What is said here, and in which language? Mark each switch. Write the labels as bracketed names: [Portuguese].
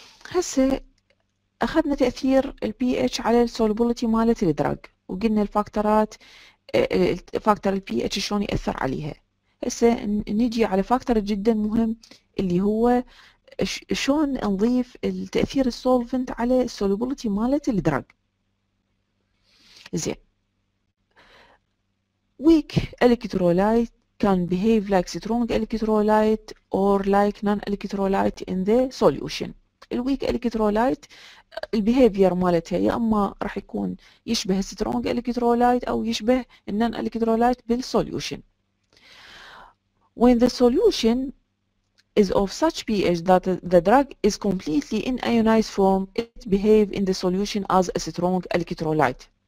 [Arabic] هسه اخذنا تأثير البي اتش على السولوبولتي مالت الدراج، وقلنا الفاكتورات فاكتور البي اتش شلون يأثر عليها. هسه نجي على فاكتور جدا مهم اللي هو شلون نضيف التأثير السولفنت على السولوبولتي مالت الدراج. [English] زين weak electrolyte can behave like strong electrolyte or like non-electrolyte in the solution. [Arabic] الويك الكترولايت البيهيفير مالتها يا اما راح يكون يشبه strong electrolyte او يشبه non-electrolyte بالسوليوشن. [English] When the solution is of such pH that the drug is completely in ionized form, it behave in the solution as a strong electrolyte.